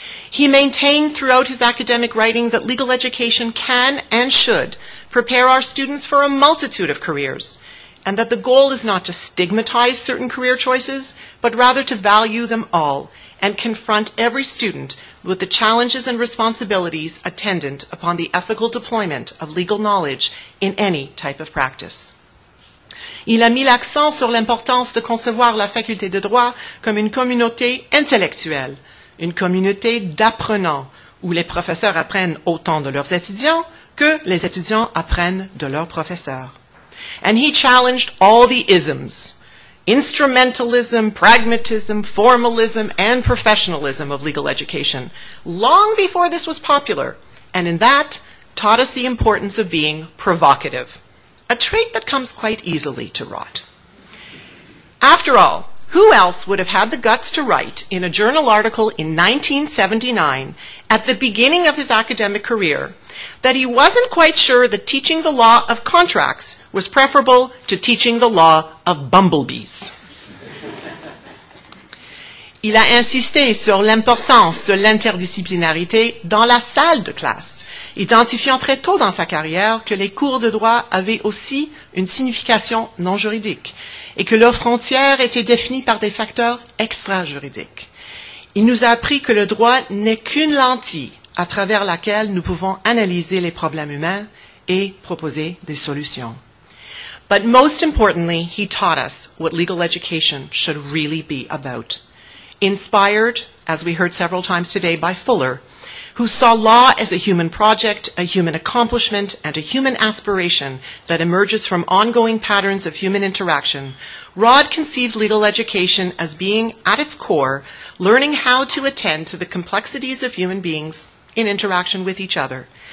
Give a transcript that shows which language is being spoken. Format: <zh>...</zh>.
<en>He maintained throughout his academic writing that legal education can and should prepare our students for a multitude of careers, and that the goal is not to stigmatize certain career choices, but rather to value them all and confront every student with the challenges and responsibilities attendant upon the ethical deployment of legal knowledge in any type of practice.</en> <fr>Il a mis l'accent sur l'importance de concevoir la faculté de droit comme une communauté intellectuelle, une communauté d'apprenants, où les professeurs apprennent autant de leurs étudiants que les étudiants apprennent de leurs professeurs.</fr> <en>And he challenged all the isms, instrumentalism, pragmatism, formalism, and professionalism of legal education, long before this was popular, and in that, taught us the importance of being provocative, a trait that comes quite easily to Rod. After all, who else would have had the guts to write in a journal article in 1979, at the beginning of his academic career, that he wasn't quite sure that teaching the law of contracts was preferable to teaching the law of bumblebees?</en> <fr>Il a insisté sur l'importance de l'interdisciplinarité dans la salle de classe, identifiant très tôt dans sa carrière que les cours de droit avaient aussi une signification non juridique et que leurs frontières étaient définies par des facteurs extra-juridiques. Il nous a appris que le droit n'est qu'une lentille à travers laquelle nous pouvons analyser les problèmes humains et proposer des solutions.</fr> <en>But most importantly, he taught us what legal education should really be about. Inspired, as we heard several times today, by Fuller, who saw law as a human project, a human accomplishment, and a human aspiration that emerges from ongoing patterns of human interaction, Rod conceived legal education as being, at its core, learning how to attend to the complexities of human beings in interaction with each other,</en>